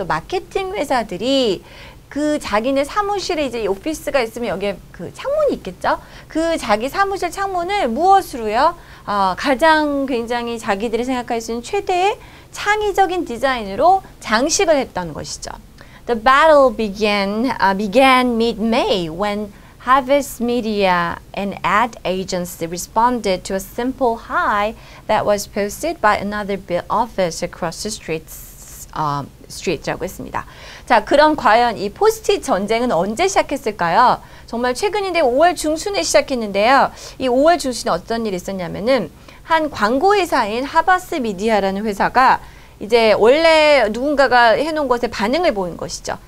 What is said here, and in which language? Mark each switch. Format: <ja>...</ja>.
<ko>또 마케팅 회사들이 그 자기네 사무실에 이제 오피스가 있으면 여기에 그 창문이 있겠죠? 그 자기 사무실 창문을 무엇으로요? 가장 굉장히 자기들이 생각할 수 있는 최대의 창의적인 디자인으로 장식을 했던 것이죠.</ko> <en>The battle began mid-May when Harvest Media, an ad agency, responded to a simple hi that was posted by another office across the streets.</en> <ko>Street라고 했습니다. 자, 그럼 과연 이 포스트잇 전쟁은 언제 시작했을까요? 정말 최근인데 5월 중순에 시작했는데요. 이 5월 중순에 어떤 일이 있었냐면은 한 광고회사인 하바스 미디아라는 회사가 이제 원래 누군가가 해놓은 것에 반응을 보인 것이죠.</ko>